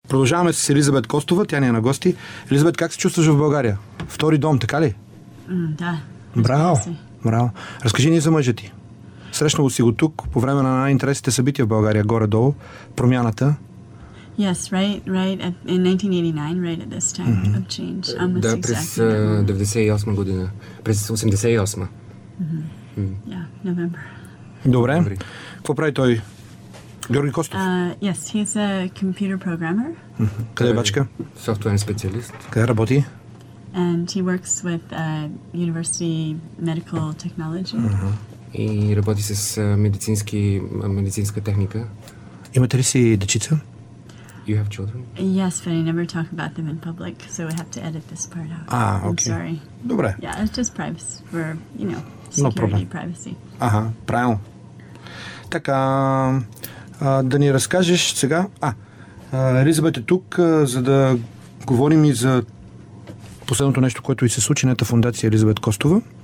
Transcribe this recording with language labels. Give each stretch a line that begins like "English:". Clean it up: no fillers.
Bulgarian: Продължаваме с Елизабет Костова, тя ни е на гости. Елизабет, как се чувстваш в България? Втори дом, така ли? Да. Браво, браво. Разкажи ни за мъжа ти. Срещнало си го тук по време на най-интересните събития в България, горе-долу, промяната.
English: Yes, right at, in 1989, right at this time of change.
Bulgarian: Да, през 98 година. През 88.
English: Yeah, November.
Bulgarian: Добре. Какво прави той? Георги Костов?
English: Yes, he's a computer programmer.
Bulgarian: Къде е бачка? Софтуерен специалист. Къде работи?
English: And he works with university medical technology.
Bulgarian: И работи с медицинска техника. Имате ли си дечица?
English: You have children? Yes, but I never talk about them in public, so we have to edit this part out. Ah, okay. I'm sorry.
Bulgarian: Добре.
English: Yeah, it's just privacy for, you know, security, no problem. Privacy.
Bulgarian: Ага, правилно. Така, да ни разкажеш сега... Елизабет е тук, за да говорим и за последното нещо, което и се случи на фондация Елизабет Костова.